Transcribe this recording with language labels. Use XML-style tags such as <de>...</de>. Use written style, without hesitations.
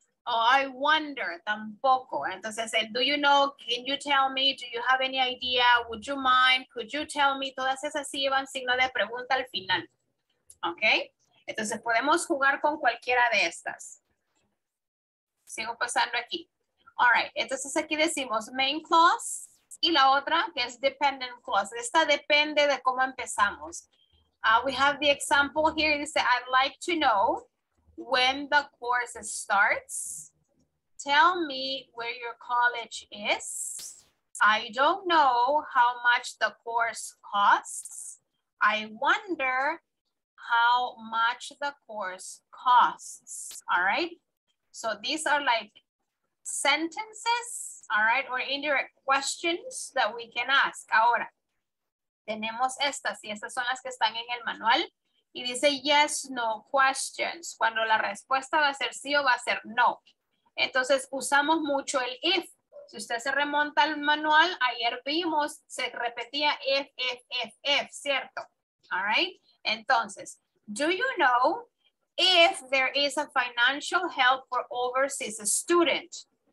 <en>Oh, I wonder,</en> <es>tampoco. Entonces,</es> <en>do you know, can you tell me, do you have any idea, would you mind, could you tell me,</en> <es>todas esas sí llevan signo de pregunta al final,</es> <en>¿ok?</en> <es>Entonces, podemos jugar con cualquiera de estas. Sigo pasando aquí. All right, entonces aquí decimos main clause y la otra que es dependent clause. Esta depende de cómo empezamos.</es> <en>We have the example here. It says, I'd like to know when the course starts. Tell me where your college is. I don't know how much the course costs. I wonder how much the course costs. All right. So these are like sentences, all right, or indirect questions that we can ask.</en> <es>Ahora. Tenemos estas, y estas son las que están en el manual. Y dice yes, no questions. Cuando la respuesta va a ser sí o va a ser no. Entonces, usamos mucho el if. Si usted se remonta al manual, ayer vimos, se repetía if, ¿cierto?</es> <en>All right. Entonces, do you know if there is a financial help for overseas students?</en>